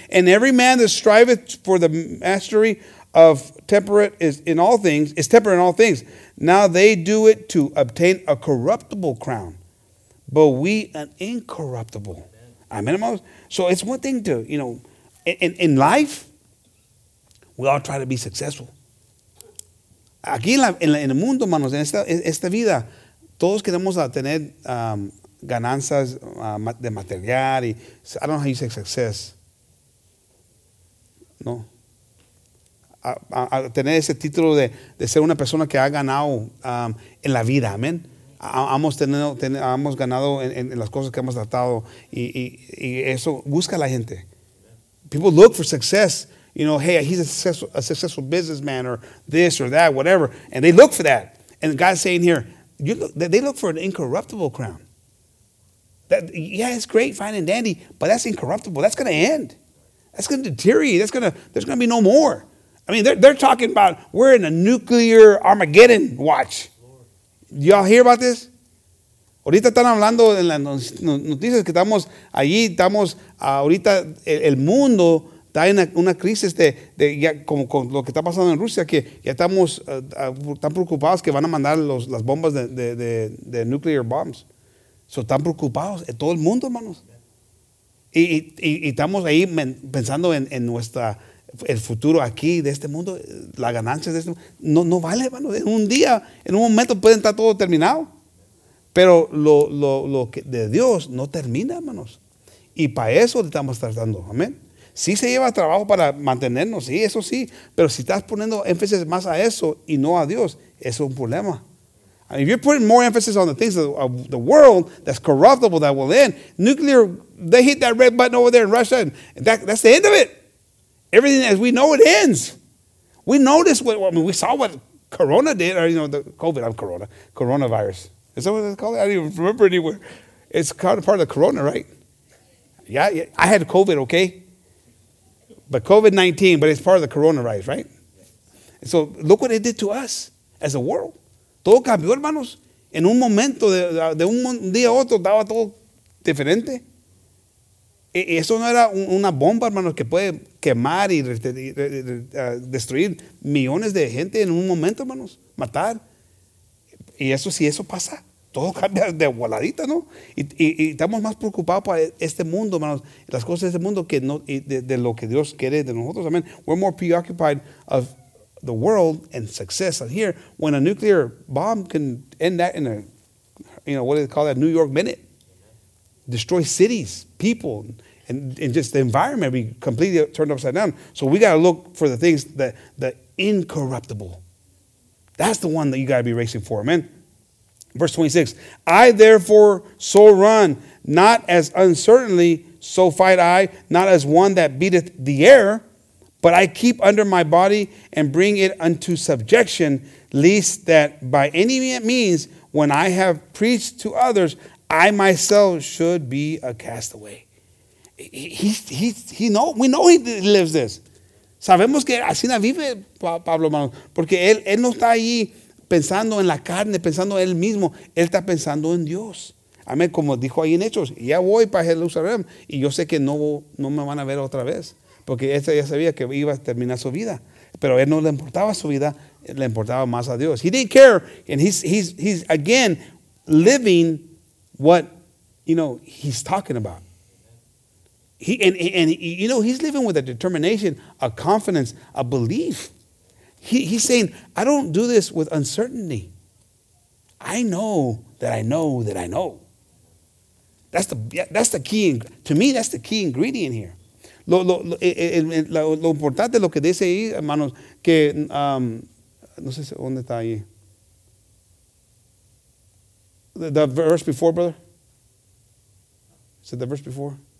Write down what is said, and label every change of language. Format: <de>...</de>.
<en>And every man that striveth for the mastery of temperate is temperate in all things. Now they do it to obtain a corruptible crown, but we an incorruptible. Amen. So it's one thing to, you know, in life, we all try to be successful.</en> <es>Aquí en el mundo, manos, en esta vida, todos queremos tener ganancias de material.</es> <en>I don't know how you say success.</en> <es>No. A tener ese título de ser una persona que ha ganado en la vida, amén. hemos ganado en las cosas que hemos tratado y eso busca la gente.</es> <en>People look for success. You know, hey, he's a successful businessman or this or that, whatever. And they look for that. And God's saying here, they look for an incorruptible crown. That, yeah, it's great, fine and dandy, but that's incorruptible. That's going to end. That's going to deteriorate. There's going to be no more. I mean, they're talking about we're in a nuclear Armageddon watch. Y'all hear about this?</en> <es>Ahorita están hablando en las noticias que estamos allí, estamos ahorita el mundo está en una crisis de ya como con lo que está pasando en Rusia que ya estamos tan preocupados que van a mandar las bombas de</es> <en>nuclear bombs.</en> <es>So están preocupados en todo el mundo, hermanos. Y estamos ahí pensando en nuestra el futuro aquí de este mundo, la ganancia de este mundo. No vale, hermano. En un día, en un momento puede estar todo terminado. Pero lo que de Dios no termina, hermanos. Y para eso estamos tratando. Amén. Sí se lleva trabajo para mantenernos, sí, eso sí. Pero si estás poniendo énfasis más a eso y no a Dios, eso es un problema.</es> <en>I mean, if you're putting more emphasis on the things of the world that's corruptible, that will end. Nuclear, they hit that red button over there in Russia, and that's the end of it. Everything as we know it ends. We know this. We saw what Corona did, or you know, the COVID. I'm Corona. Coronavirus. Is that what they call it? I don't even remember anywhere. It's kind of part of the Corona, right? Yeah. I had COVID, okay? But COVID-19, but it's part of the coronavirus, right? And so look what it did to us as a world.</en> <es>Todo cambió, hermanos. En un momento, de un día a otro, estaba todo diferente. Eso no era una bomba, hermanos, que puede quemar y destruir millones de gente en un momento, hermanos. Matar. Y eso, si eso pasa, todo cambia de voladita, ¿no? Y estamos más preocupados por este mundo, hermanos, las cosas de este mundo que no, de lo que Dios quiere de nosotros.</es> <en>Amen. We're more preoccupied of the world and success. And here, when a nuclear bomb can end that in a, you know, what do they call that, New York minute, destroy cities, people, and just the environment, we completely turned upside down. So we got to look for the things that the incorruptible. That's the one that you got to be racing for, amen? Verse 26, I therefore so run, not as uncertainly, so fight I, not as one that beateth the air, but I keep under my body and bring it unto subjection, lest that by any means, when I have preached to others, I myself should be a castaway. We know he lives this.</en> <es>Sabemos que así no vive Pablo, hermano, porque él no está ahí pensando en la carne, pensando en él mismo. Él está pensando en Dios. Amén. Como dijo ahí en Hechos, ya voy para Jerusalén y yo sé que no me van a ver otra vez. Porque él ya sabía que iba a terminar su vida. Pero a él no le importaba su vida, le importaba más a Dios.</es> <en>He didn't care. And he's again living what, you know, he's talking about. And you know, he's living with a determination, a confidence, a belief. He's saying, I don't do this with uncertainty. I know that I know that I know. That's the key. To me, that's the key ingredient here.</en> <es>Lo importante, lo que dice ahí, hermanos, que, no sé dónde está ahí.</es> <en>The verse before, brother? Is it the verse before?</en>